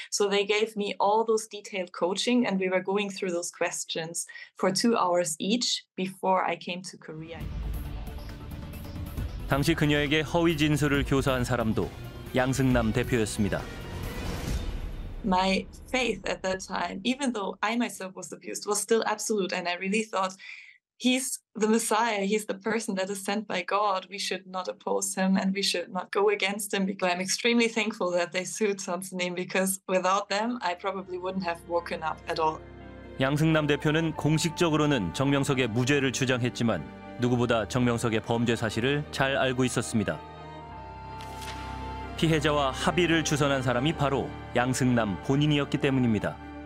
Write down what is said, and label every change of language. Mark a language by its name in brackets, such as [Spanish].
[English] So they gave me all those detailed coaching and we were going through those questions for 2 hours each before I came to Korea. [Korean] 당시 그녀에게 허위 진술을 교사한 사람도 양승남 대표였습니다. [English] My faith at that time, even though I myself was abused, was still absolute and I really thought He's the Messiah. He's the person that is sent by God. We should not oppose him and we should not go against him. Because I'm extremely thankful that they sued Sun's name because without them, I probably wouldn't have woken up at all. [Korean] 양승남 대표는 공식적으로는 정명석의 무죄를 주장했지만 누구보다 정명석의 범죄 사실을 잘 알고 있었습니다. 피해자와 합의를 주선한 사람이 바로 양승남 본인이었기 때문입니다.